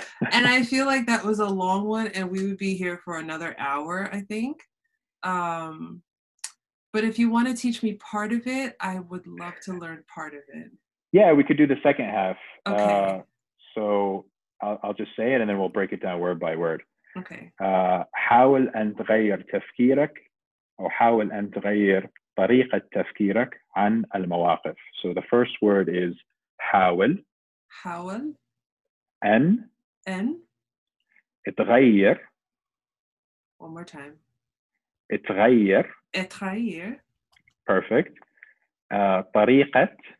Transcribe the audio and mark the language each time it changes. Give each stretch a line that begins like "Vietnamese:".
English: And I feel like that was a long one and we would be here for another hour, I think. But if you want to teach me part of it, I would love to learn part of it. Yeah, we could do the second half. Okay. So I'll just say it and then we'll break it down word by word. Okay.
Arabic: حاول أن تغير تفكيرك أو حاول أن تغير طريقة تفكيرك عن المواقف.
English: So the first word is حاول.
Arabic: حاول. أن. أن. اتغير.
English: One more time.
Arabic: اتغير. اتغير.
English: Perfect. طريقة.